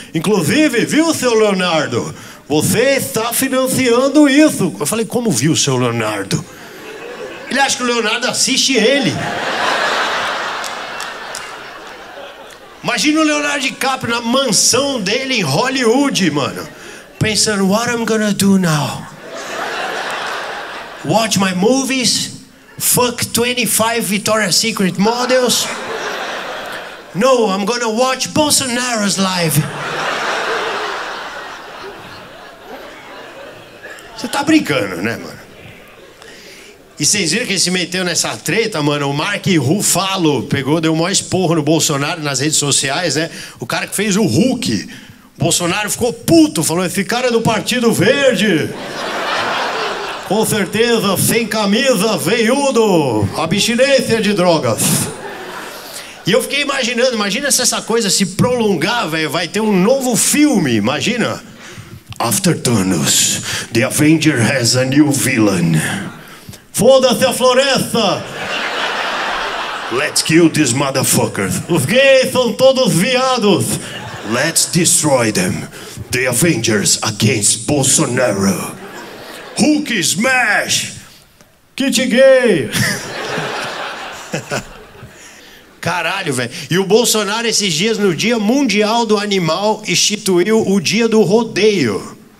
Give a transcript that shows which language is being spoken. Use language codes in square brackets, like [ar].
[pt] Inclusive, viu, seu Leonardo? Você está financiando isso. Eu falei, como viu, seu Leonardo? Ele acha que o Leonardo assiste ele. Imagina o Leonardo DiCaprio na mansão dele em Hollywood, mano. Pensando, [en] what I'm gonna do now? Watch my movies? Fuck 25 Victoria's Secret models? No, I'm gonna watch Bolsonaro's live. [pt] Você tá brincando, né, mano? E vocês viram que ele se meteu nessa treta, mano? O Mark Ruffalo pegou, deu o maior esporro no Bolsonaro nas redes sociais, né? O cara que fez o Hulk. O Bolsonaro ficou puto, falou, esse cara é do Partido Verde. Com certeza, sem camisa, veiudo. Abstinência de drogas. E eu fiquei imaginando, imagina se essa coisa se prolongar, velho. Vai ter um novo filme, imagina. [en] After Thanos, the Avenger has a new villain. [pt] Foda-se a floresta! [en] Let's kill these motherfuckers. [pt] Os gays são todos viados. [en] Let's destroy them. The Avengers against Bolsonaro. Hulk smash! Kit gay! [pt] Caralho, velho. E o Bolsonaro esses dias, no Dia Mundial do Animal, instituiu o Dia do Rodeio.